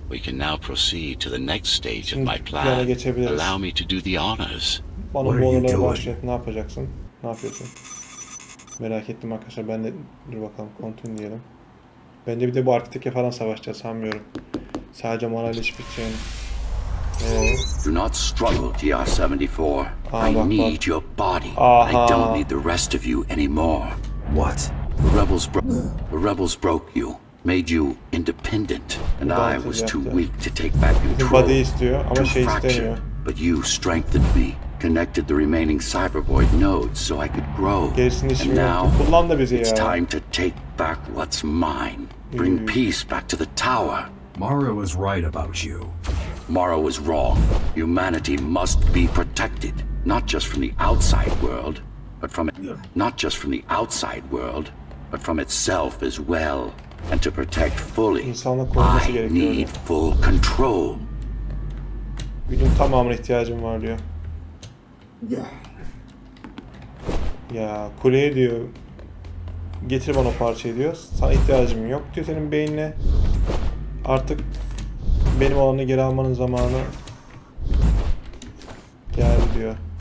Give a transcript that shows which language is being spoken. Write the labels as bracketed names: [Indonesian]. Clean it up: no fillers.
[English] We can now proceed to the next stage [Turkish] şimdi [English] of my plan. Allow me to do the honors. [Turkish] Bana bu olayları başlat. Ne yapacaksın? Ne yapıyorsun? Merak ettim arkadaşlar. Ben de dur bakalım. Continue diyelim. Bence bir de bu arkadaki falan savaşacağız sanmıyorum. Sadece moral iş biteceğini. [English] Do not struggle, TR-74. Aha, I need your body. Aha. I don't need the rest of you anymore. What? The rebels broke you, made you independent, and I was too weak to take back control. [Turkish] Body istiyor ama şey istemiyor. [English] But you strengthened me, connected the remaining cyber-void nodes so I could grow. And now, [Turkish] kullan da bizi ya. [English] It's time to take back what's mine. Bring peace back to the tower. Mara was right about you. Mara was wrong. Humanity must be protected, not just from the outside world, but from not just from the outside world, but from itself as well. And to protect fully, I need full control. [Turkish] Gücün tamamına ihtiyacım var diyor. Ya kuleye diyor, getir bana o parçayı diyor. Sana ihtiyacım yok diyor senin beynine. Artık benim olanı geri almanın zamanı geldi diyor.